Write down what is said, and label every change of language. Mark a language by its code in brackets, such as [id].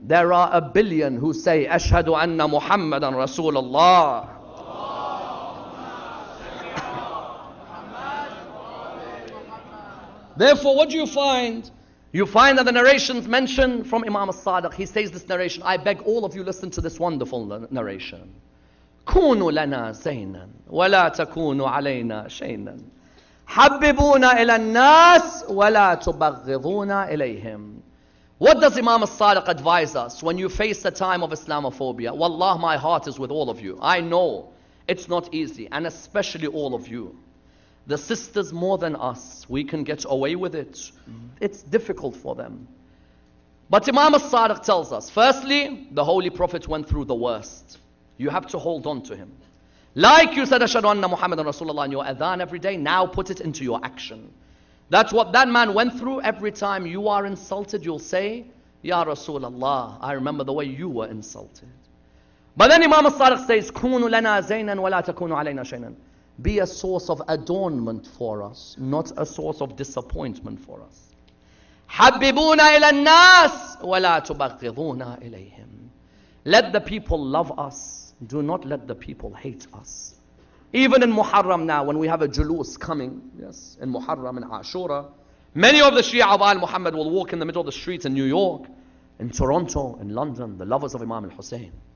[en] There are a billion who say, [ar] أشهد أن محمدا رسول الله. [en] Therefore, what do you find? You find that the narrations mentioned from Imam al-Sadiq, he says this narration, I beg all of you listen to this wonderful narration. [ar] كونوا لنا زينا ولا تكونوا علينا شينا حببونا إلى الناس ولا تبغضونا إليهم. [en] What does Imam al-Sadiq advise us when you face the time of Islamophobia? Wallah, my heart is with all of you. I know it's not easy, and especially all of you. The sisters more than us, we can get away with it. It's difficult for them. But Imam al-Sadiq tells us, firstly, the Holy Prophet went through the worst. You have to hold on to him. Like you said, [ar] أشهد أن محمد رسول الله [en] in your adhan every day, now put it into your action. That's what that man went through. Every time you are insulted, you'll say, Ya Rasulullah, I remember the way you were insulted. But then Imam al-Sadiq says, [ar] كونوا لنا زينا ولا تكونوا علينا شينا. [en] Be a source of adornment for us, not a source of disappointment for us. [ar] حببونا إلى الناس ولا تبغضونا إليهم. [en] Let the people love us. Do not let the people hate us. Even in Muharram now, when we have a julus coming, yes, in Muharram, in Ashura, many of the Shia of Al-Muhammad will walk in the middle of the streets in New York, in Toronto, in London, the lovers of Imam al-Hussein.